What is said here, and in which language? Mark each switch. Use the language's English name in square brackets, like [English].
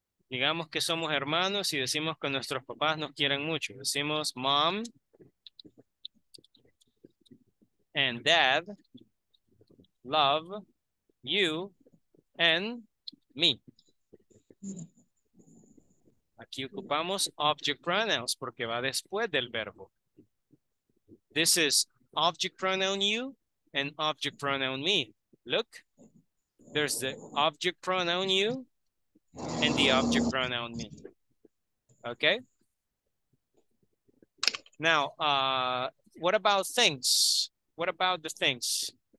[Spanish] Digamos que somos hermanos y decimos que nuestros papás nos quieren mucho. Decimos [English] mom and dad love you and me. [Spanish] Aquí ocupamos object pronouns porque va después del verbo. [English] This is object pronoun you and object pronoun me. Look, there's the object pronoun you and the object pronoun me. Okay? Now, what about things? What about the things?